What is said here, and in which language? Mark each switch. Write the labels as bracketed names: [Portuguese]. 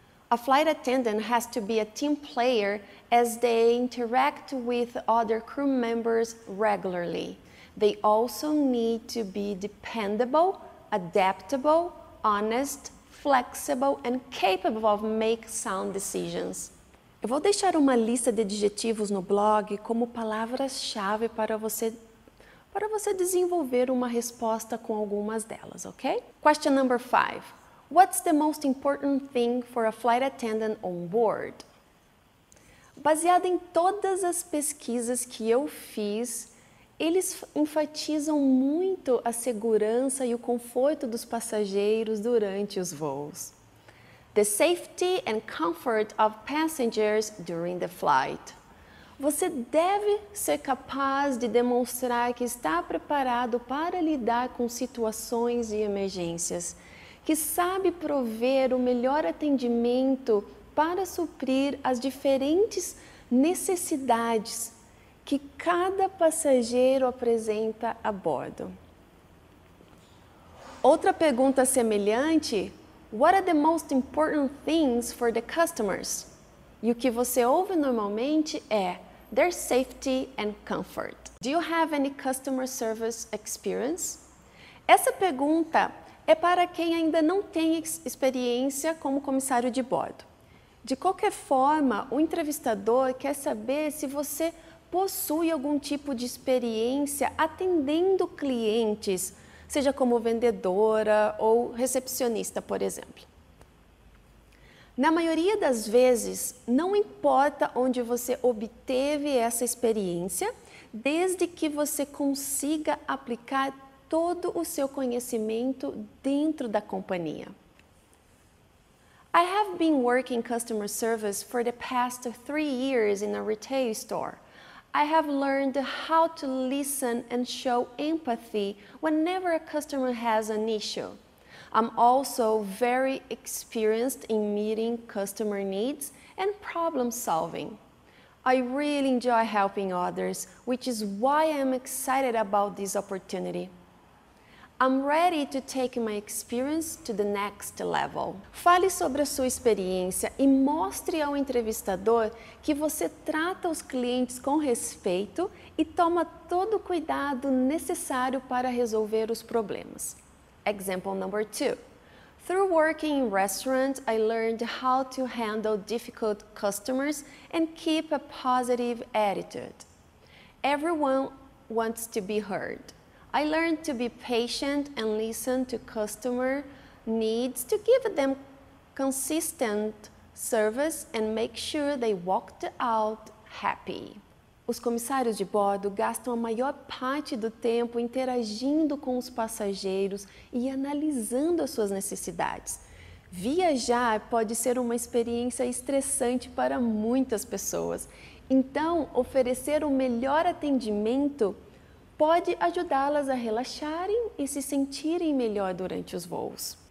[English] A flight attendant has to be a team player as they interact with other crew members regularly. They also need to be dependable, adaptable, honest, flexible, and capable of making sound decisions. [Portuguese] Eu vou deixar uma lista de adjetivos no blog como palavras-chave para você desenvolver uma resposta com algumas delas, ok? [English] Question number 5. What's the most important thing for a flight attendant on board? [Portuguese] Baseado em todas as pesquisas que eu fiz, eles enfatizam muito a segurança e o conforto dos passageiros durante os voos. [English] The safety and comfort of passengers during the flight. [Portuguese] Você deve ser capaz de demonstrar que está preparado para lidar com situações e emergências, que sabe prover o melhor atendimento para suprir as diferentes necessidades que cada passageiro apresenta a bordo. Outra pergunta semelhante, [English] what are the most important things for the customers? [Portuguese] E o que você ouve normalmente é [English] their safety and comfort. Do you have any customer service experience? [Portuguese] Essa pergunta é para quem ainda não tem experiência como comissário de bordo. De qualquer forma, o entrevistador quer saber se você possui algum tipo de experiência atendendo clientes, seja como vendedora ou recepcionista, por exemplo. Na maioria das vezes, não importa onde você obteve essa experiência, desde que você consiga aplicar todo o seu conhecimento dentro da companhia. [English] I have been working customer service for the past 3 years in a retail store. I have learned how to listen and show empathy whenever a customer has an issue. I'm also very experienced in meeting customer needs and problem solving. I really enjoy helping others, which is why I'm excited about this opportunity. I'm ready to take my experience to the next level. [Portuguese] Fale sobre a sua experiência e mostre ao entrevistador que você trata os clientes com respeito e toma todo o cuidado necessário para resolver os problemas. [English] Example number 2. Through working in restaurants, I learned how to handle difficult customers and keep a positive attitude. Everyone wants to be heard. I learned to be patient and listen to customer needs to give them consistent service and make sure they walked out happy. [Portuguese] Os comissários de bordo gastam a maior parte do tempo interagindo com os passageiros e analisando as suas necessidades. Viajar pode ser uma experiência estressante para muitas pessoas. Então, oferecer o melhor atendimento pode ajudá-las a relaxarem e se sentirem melhor durante os voos.